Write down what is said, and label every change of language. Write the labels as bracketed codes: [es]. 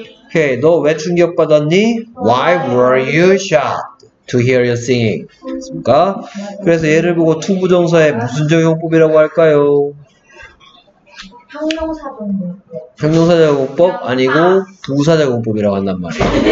[ko] 오케이, 너 왜 충격받았니? [en] Why were you shocked to hear you singing? [ko] 됐습니까? 그래서 예를 보고 to 부정사의 무슨 적용법이라고 할까요? 형용사 적용법 아니고 부사 적용법이라고 한단 말이에요.